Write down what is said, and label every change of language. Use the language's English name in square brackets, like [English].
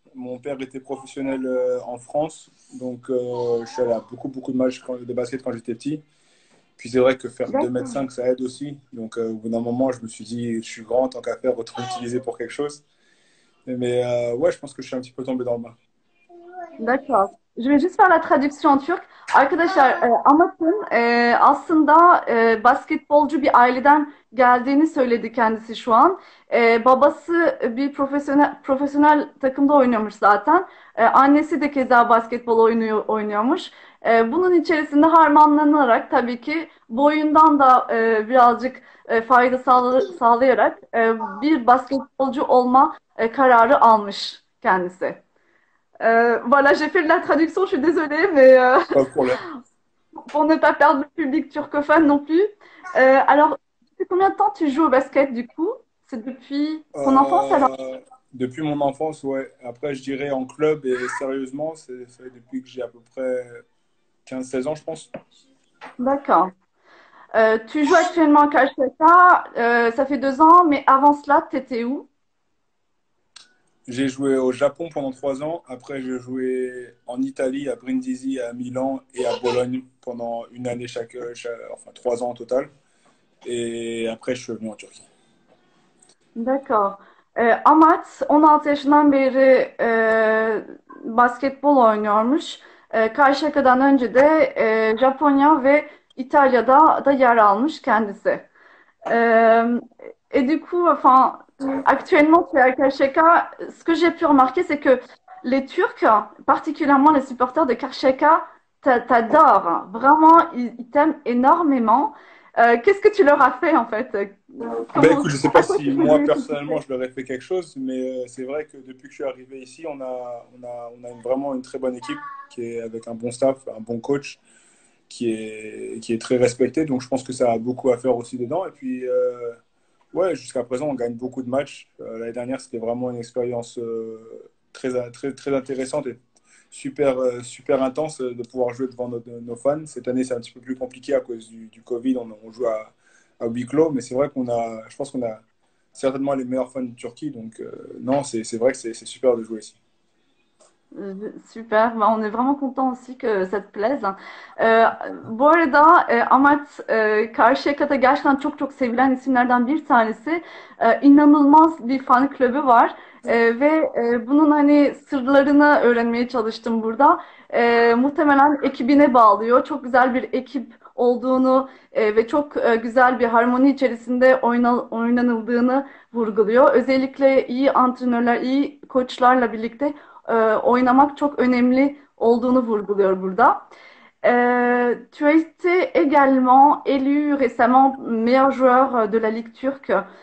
[French] Mon père était professionnel en France. Donc, je suis allé à beaucoup, beaucoup de matchs de basket quand j'étais petit. Puis c'est vrai que faire D'accord. 2,5 m, ça aide aussi. Donc, au bout d'un moment, je me suis dit, je suis grand, tant qu'à faire, autant l'utiliser pour quelque chose. Mais ouais, je pense que je suis un petit peu tombé dans le bain. D'accord. Je vais juste faire la traduction en turc. [Turkish] Arkadaşlar, aslında basketbolcu bir aileden geldiğini söyledi kendisi şu an. Babası bir profesyonel takımda oynuyormuş zaten. Annesi de keza basketbol oynuyormuş. Bunun içerisinde harmanlanarak tabii ki boyundan da birazcık fayda sağlayarak bir basketbolcu olma kararı almış kendisi. [French] Voilà, j'ai fait de la traduction, je suis désolée, mais Pas de problème. pour ne pas perdre le public turcophone non plus. Alors, depuis combien de temps tu joues au basket du coup? C'est depuis ton enfance alors? Depuis mon enfance, ouais. Après, je dirais en club et sérieusement, c'est depuis que j'ai à peu près 15-16 ans, je pense. D'accord. Tu joues actuellement à Calcetta, ça fait 2 ans, mais avant cela, tu étais où? J'ai joué au Japon pendant 3 ans. Après, j'ai joué en Italie, à Brindisi, à Milan et à Bologne pendant une année enfin 3 ans en total. Et après, je suis venu en Turquie. D'accord. [Turkish] Amat 16 yaşından beri basketbol oynuyormuş. Karşıyaka'dan önce de Japonya ve İtalya'da da yer almış kendisi. [French] Et du coup, enfin, actuellement, tu es à Karşıyaka, ce que j'ai pu remarquer, c'est que les Turcs, particulièrement les supporters de Karşıyaka, t'adorent. Vraiment, ils t'aiment énormément. Qu'est-ce que tu leur as fait en fait? Ben écoute, je ne sais pas À quoi si tu peux moi les expliquer? personnellement je leur ai fait quelque chose, mais c'est vrai que depuis que je suis arrivé ici, on a vraiment une très bonne équipe qui est avec un bon staff, un bon coach qui est très respecté. Donc je pense que ça a beaucoup à faire aussi dedans. Et puis, ouais, jusqu'à présent, on gagne beaucoup de matchs. L'année dernière, c'était vraiment une expérience très, très, très intéressante et super, super intense de pouvoir jouer devant nos fans. Cette année, c'est un petit peu plus compliqué à cause du Covid. On joue à huis clos, mais c'est vrai je pense qu'on a certainement les meilleurs fans de Turquie, donc non, c'est vrai que c'est super de jouer ici. Super, bah, on est vraiment content aussi que ça te plaise. [Turkish] Bu arada Karşıyaka'da gerçekten çok çok sevilen isimlerden bir tanesi. İnanılmaz bir fan klubu var. Ve bunun hani sırlarını öğrenmeye çalıştım burada. Muhtemelen ekibine bağlıyor. Çok güzel bir ekip olduğunu ve çok güzel bir harmoni içerisinde oynanıldığını vurguluyor. Özellikle iyi antrenörler, iyi koçlarla birlikte oynamak çok önemli olduğunu vurguluyor burada. [French] Tu as été également élu récemment meilleur joueur de la Ligue turque.